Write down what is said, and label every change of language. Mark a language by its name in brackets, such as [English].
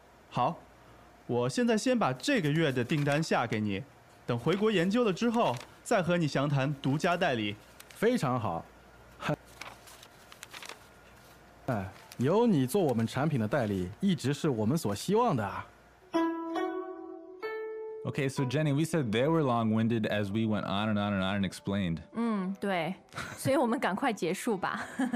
[Chinese] 好，我现在先把这个月的订单下给你，等回国研究了之后再和你详谈独家代理。非常好。有你做我们产品的代理，一直是我们所希望的。 [English] Okay, so Jenny, we said they were long-winded as we went on and on and on and explained. [Chinese] 对，所以我们赶快结束吧。